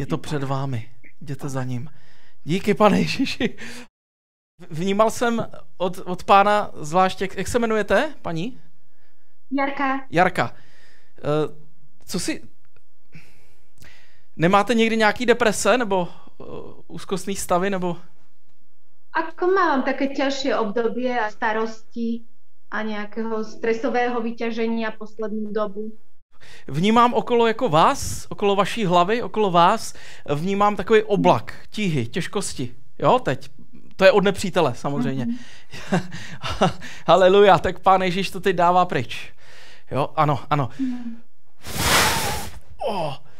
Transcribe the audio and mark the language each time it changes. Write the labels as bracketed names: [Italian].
[Czech] Je to před vámi. Jděte za ním. Díky, pane Ježíši. Vnímal jsem od pána zvláště, jak se jmenujete, paní? Jarka. Jarka. Co si... Nemáte někdy nějaký deprese, nebo úzkostný stavy, nebo... [Slovak] Ako mám také ťažšie obdobie a starosti a nejakého stresového vyťaženia poslednú dobu? [Czech] Vnímám okolo jako vás, okolo vaší hlavy, okolo vás, vnímám takový oblak, tíhy, těžkosti. Jo, teď. To je od nepřítele, samozřejmě. Mm-hmm. Haleluja, tak pán Ježíš to teď dává pryč. Jo, ano, ano. Mm-hmm. Oh.